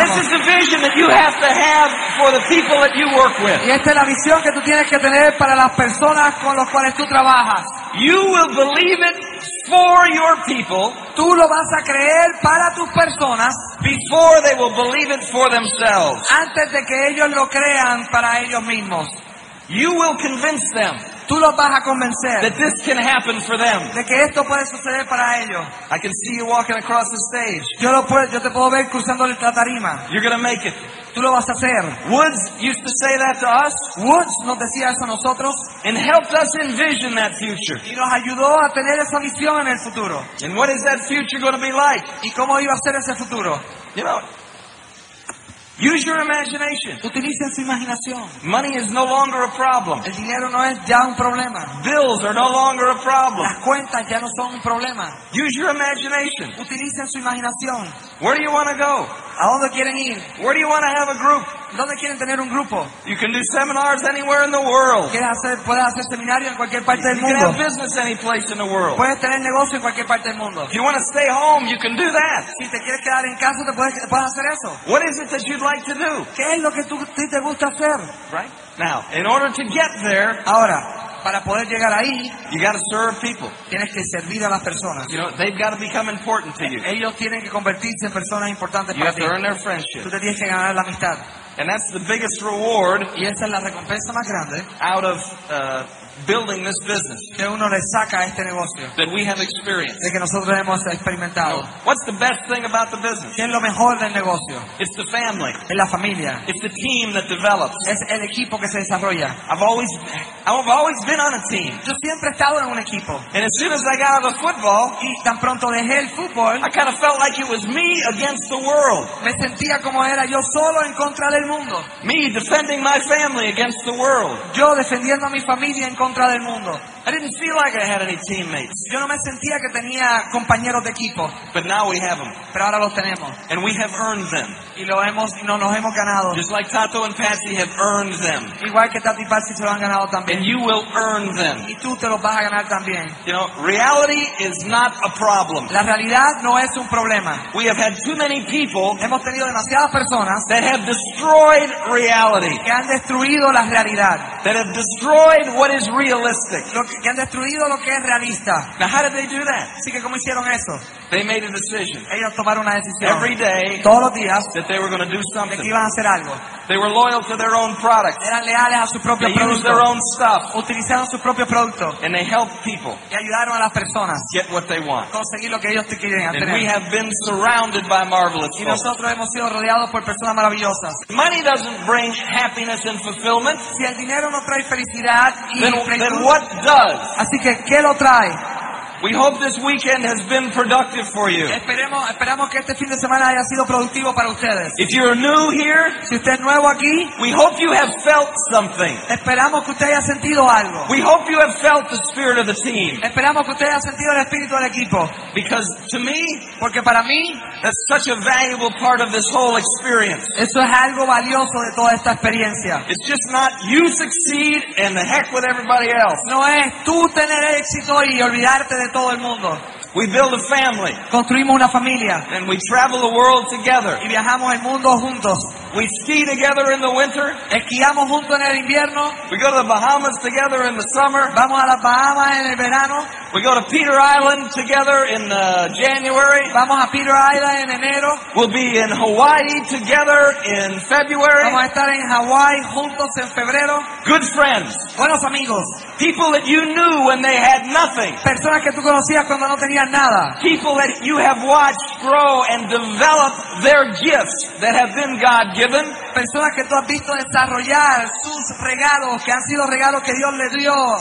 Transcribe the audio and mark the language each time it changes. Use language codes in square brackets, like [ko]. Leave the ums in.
[en] And this is the vision that you have to have for the people that you work with. [es] Y esta es la visión que tú tienes que tener para las personas con las cuales tú trabajas. [en] You will believe it for your people. [es] Tú lo vas a creer para tus personas. [en] before they will believe it for themselves. [es] Antes de que ellos lo crean para ellos mismos. [en] You will convince them that this can happen for them. [es] De que esto puede suceder para ellos. [en] I can see you walking across the stage. [es] Yo lo puedo, yo te puedo ver cruzando la tarima. [en] You're going to make it. Woods used to say that to us. [es] Woods nos decía eso nosotros. [en] And helped us envision that future. [es] Y nos ayudó a tener esa visión en el futuro. [en] And what is that future going to be like? [es] Y cómo iba a ser ese futuro. [en] You know. Use your imagination. [es] Utilicen su imaginación. [en] Money is no longer a problem. [es] El dinero no es ya un problema. [en] Bills are no longer a problem. [es] Las cuentas ya no son un problema. [en] Use your imagination. [es] Utilicen su imaginación. [en] Where do you want to go? [es] ¿A dónde quieren ir? [en] Where do you want to have a group? [es] ¿Dónde quieren tener un grupo? [en] You can do seminars anywhere in the world. [es] Hacer, puedes hacer seminario en cualquier parte del mundo. [en] You can have business any place in the world. [es] Puedes tener negocio en cualquier parte del mundo. [en] If you want to stay home, you can do that. [es] Si te quieres quedar en casa, te puedes, puedes hacer eso. [en] What is it that you'd like to do? [es] ¿Qué es lo que tú, te gusta hacer? [en] Right? Now, in order to get there, [es] ahora, para poder llegar ahí, [en] you got to serve people. [es] Tienes que servir a las personas. [en] they've got to become important to you. [es] Ellos tienen que convertirse en personas importantes [en] you [es] para ti. [en] You have to earn their friendship. And that's the biggest reward. [es] Y esa es la recompensa más grande. [en] Out of uh, building this business. That we have experienced. [es] De que nosotros hemos [en] you know, What's the best thing about the business? It's the family. It's the team that develops. [es] Es el equipo que se desarrolla. [en] I've always, I've always been on a team. [es] Yo siempre estado en un equipo. [en] And as soon as I got out of football, football, I kind of felt like it was me against the world. [es] Me sentía como era yo solo en contra del mundo. [en] Me defending my family against the world. [es] Yo defendiendo a mi familia contra del mundo. [en] I didn't feel like I had any teammates. [es] Yo no me sentía que tenía compañeros de equipo. [en] But now we have them. [es] Pero ahora los tenemos. [en] And we have earned them. [es] Y lo hemos, no, nos hemos ganado. [en] Just like Tato and Patsy have earned them. [es] Igual que Tato y Patsy se lo han ganado también. [en] And you will earn them. [es] Y tú te los vas a ganar también. [en] You know, reality is not a problem. [es] La realidad no es un problema. [en] We have had too many people. [es] Hemos tenido demasiadas personas. [en] That have destroyed reality. [es] Que han destruido la realidad. [en] That have destroyed what is realistic. [es] Lo que han destruido lo que es realista. [en] They do that? [es] Así que, ¿cómo hicieron eso? [en] They made a decision. [es] Ellos tomaron una decisión. [en] Every day, [es] todos los días, [en] that they were going to do something. They were loyal to their own products. they used their own stuff. [es] Utilizaron su propio producto. [en] And they helped people [es] y ayudaron a las personas [en] get what they want. [es] Conseguir lo que ellos quieren, [en] and we have been surrounded by marvelous [es] y nosotros hemos sido rodeados por personas maravillosas. [en] Money doesn't bring happiness and fulfillment. [es] Si el dinero no trae felicidad y [en] what does? [es] Así que, ¿qué lo trae? [en] We hope this weekend has been productive for you. [es] Esperemos, esperamos que este fin de semana haya sido productivo para ustedes. [en] If you're new here, [es] si usted nuevo aquí, [en] we hope you have felt something. [es] Esperamos que usted haya sentido algo. [en] We hope you have felt the spirit of the team. [es] Esperamos que usted haya sentido el espíritu del equipo. [en] Because to me, [es] porque para mí, [en] that's such a valuable part of this whole experience. [es] Eso es algo valioso de toda esta experiencia. [en] It's just not you succeed and the heck with everybody else. [es] No es tú tener éxito y olvidarte [en] we build a family. [es] Construimos una familia. [en] And we travel the world together. [es] Y viajamos el mundo juntos. [en] We ski together in the winter. [es] Esquiamos juntos en el invierno. [en] We go to the Bahamas together in the summer. [es] Vamos a las Bahamas en el verano. [en] We go to Peter Island together in uh, January. [es] Vamos a Peter Island en enero. [en] We'll be in Hawaii together in February. [es] Vamos a estar en Hawaii juntos en febrero. [en] Good friends. [es] Buenos amigos. [en] People that you knew when they had nothing. [es] Personas que tú conocías cuando no tenían nada. [en] People that you have watched grow and develop their gifts that have been God given. [es] Personas que tú has visto desarrollar sus regalos, que han sido regalos que Dios le dio.